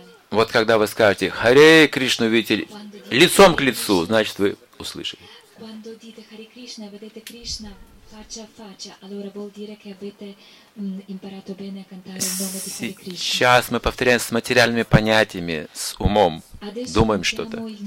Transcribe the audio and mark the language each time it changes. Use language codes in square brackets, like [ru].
[ru] Вот когда вы скажете «Харе Кришна, видите, лицом к лицу», значит, вы услышали. [it] Quando dite Hare Krishna e vedete Krishna faccia a faccia, allora vuol dire che avete imparato bene a cantare il nome di Hare Krishna. [ru] Сейчас мы повторяем с материальными понятиями, с умом, думаем что-то.